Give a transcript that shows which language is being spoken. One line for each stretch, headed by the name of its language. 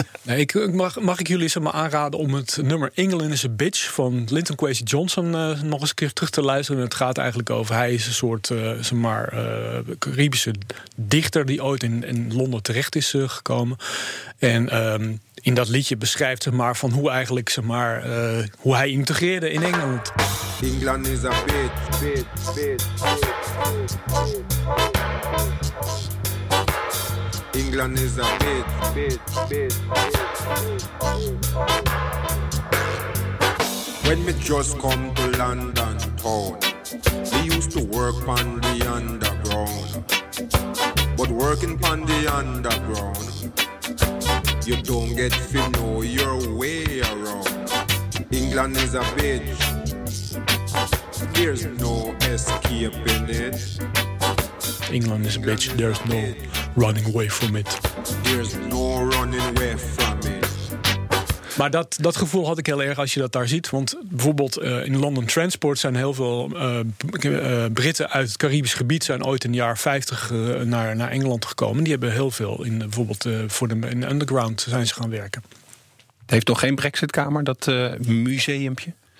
Dutch: Nee, mag ik jullie zomaar aanraden om het nummer England is a Bitch van Lyndon Kwesi Johnson nog eens een keer terug te luisteren. Het gaat eigenlijk over, hij is een soort Caribische dichter die ooit in Londen terecht is gekomen. En in dat liedje beschrijft hij van hoe eigenlijk hoe hij integreerde in Engeland.
English: England is a bitch, bitch, bitch. England is a bitch, bitch, bitch. When me just come to London town, me used to work on the underground. But working on the underground, you don't get to know your way around. England is a bitch, there's no escaping it. England is a bitch, there's no running away from it. There's no running away from it.
Dutch: Maar dat gevoel had ik heel erg als je dat daar ziet. Want bijvoorbeeld in London Transport zijn heel veel Britten uit het Caribisch gebied zijn ooit in de jaren 50 naar Engeland gekomen. Die hebben heel veel in de underground zijn ze gaan werken. Het heeft toch geen Brexitkamer, dat museumpje?